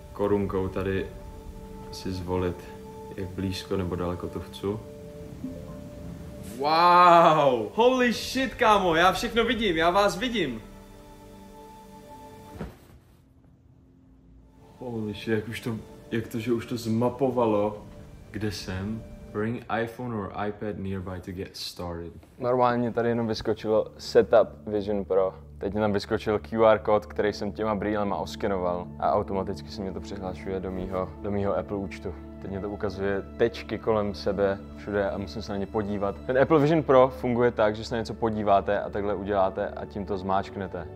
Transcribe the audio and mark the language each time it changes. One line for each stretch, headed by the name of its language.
Czech: Korunkou tady si zvolit, jak blízko nebo daleko to chci. Wow,
English: holy shit,
Czech: kámo, já všechno vidím, já vás vidím. Holiši, jak to, že už to zmapovalo, kde jsem.
English: Bring iPhone or iPad nearby to get started.
Czech: Normálně tady jenom vyskočilo setup Vision Pro. Teď mi tam vyskočil QR kód, který jsem těma brýlema oskenoval. A automaticky se mě to přihlašuje do mýho Apple účtu. Teď mě to ukazuje tečky kolem sebe všude a musím se na ně podívat. Ten Apple Vision Pro funguje tak, že se na něco podíváte a takhle uděláte a tím to zmáčknete.